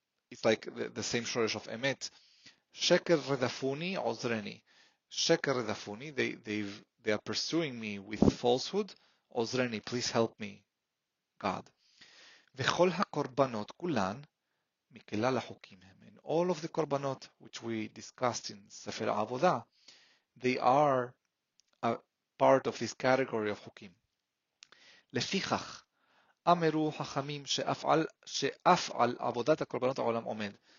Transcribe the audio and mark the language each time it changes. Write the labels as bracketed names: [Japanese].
[English] It's like the same shortage of אמת. [Hebrew] שקר רדפוני, עוזרני. שקר רדפוני, [English] they are pursuing me with falsehood. עוזרני, please help me, God. [Hebrew] וכל הקורבנות כולן מכלל החוקים הם. [English] And all of the korbanot, which we discussed in Sefer Avodah, they are a part of this category of חוקים. [Hebrew] לפיכך, אמרו חכמים שאף על עבודת הקורבנות העולם עומד.